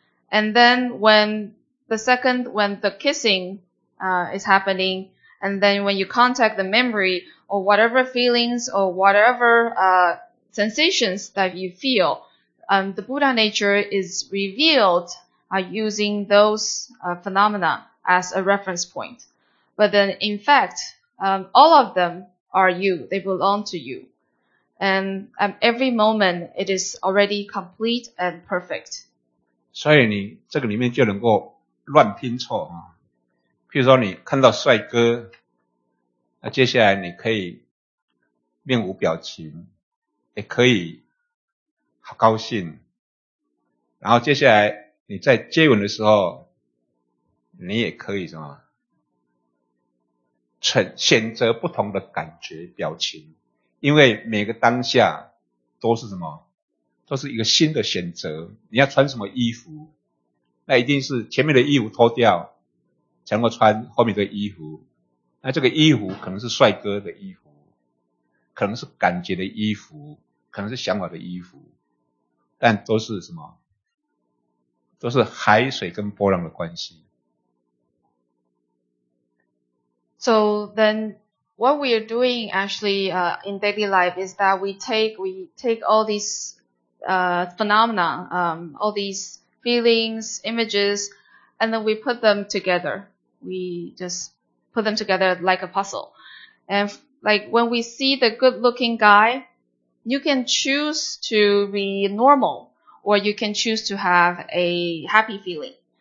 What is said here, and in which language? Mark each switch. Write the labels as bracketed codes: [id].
[en] And then when the kissing is happening, and then when you contact the memory or whatever feelings or whatever sensations that you feel, the Buddha nature is revealed using those phenomena as a reference point. But then, in fact, all of them are you. They belong to you. And every moment, it is already complete and perfect. [zh] 所以你这个里面就能够乱拼错啊。譬如说你看到帅哥，那接下来你可以面无表情，也可以好高兴，然后接下来你在接吻的时候，你也可以什么选择不同的感觉表情，因为每个当下都是什么，都是一个新的选择。你要穿什么衣服，那一定是前面的衣服脱掉才能够穿后面的衣服，那这个衣服可能是帅哥的衣服，可能是感觉的衣服，可能是想法的衣服，但都是什么，都是海水跟波浪的关系。 [en] So then what we are doing actually, in daily life is that we take all these, phenomena, all these feelings, images, and then we put them together. We just put them together like a puzzle. And like when we see the good looking guy, you can choose to be normal or you can choose to have a happy feeling.